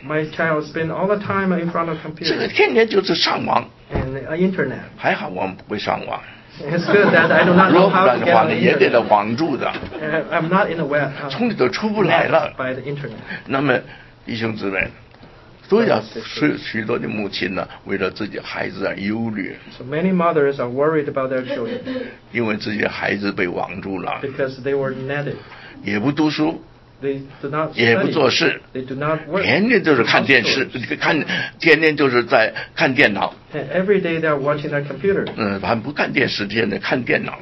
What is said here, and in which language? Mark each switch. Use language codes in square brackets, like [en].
[en] My child spend all the time in front of computer. [zh] 这个天天就是上网 [en] And the internet. [zh] 还好我们不会上网 [en] It's good that I do not know how to get on the internet. [zh] 也得了网住的。 [en] I'm not in a web. [zh] 从里头出不来了。 [en] By the internet. [zh] 那么，弟兄姊妹，所以许多的母亲呢，为了自己孩子而忧虑。 [en] So many mothers are worried about their children. [zh] 因为自己孩子被网住了。 [en] Because they were netted. [zh] 也不读书。 [en] They do not study. [zh] 也不做事。 [en] They do not work. [zh] 天天就是看电视，天天就是在看电脑。 [en] Every day they are watching their computer. [zh] 他们不看电视，天天看电脑。